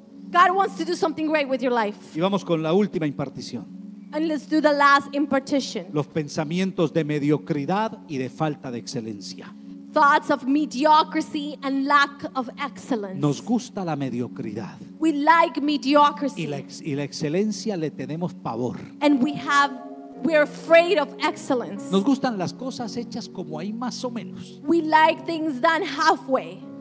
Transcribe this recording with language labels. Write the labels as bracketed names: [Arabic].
[English] God wants to do something great with your life. [Spanish] Y vamos con la última impartición. [English] And let's do the last impartition. [Spanish] Los pensamientos de mediocridad y de falta de excelencia. [English] Thoughts of mediocrity and lack of excellence. [Spanish] Nos gusta la mediocridad. [English] We like mediocrity. [Spanish] Y la excelencia le tenemos pavor. [English] And we're afraid of excellence. [Spanish] Nos gustan las cosas hechas como ahí más o menos. [English] We like things done halfway.